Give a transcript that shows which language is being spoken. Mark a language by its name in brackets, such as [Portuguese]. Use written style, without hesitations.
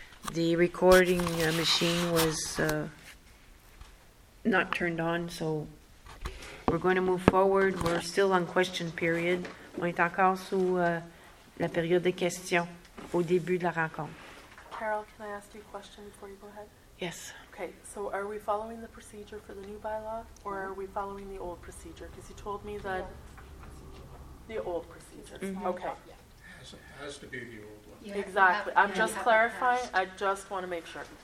[English] The recording machine was not turned on, so we're going to move forward. We're still on question period. [French] On est encore sous la période de questions au début de la rencontre. [English] Carol, can I ask you a question before you go ahead? Yes. Okay, so are we following the procedure for the new bylaw, or are we following the old procedure? Because you told me that the old procedure. Mm-hmm. Okay. It has to be the old one. Yeah. Exactly. I'm just clarifying. I just want to make sure.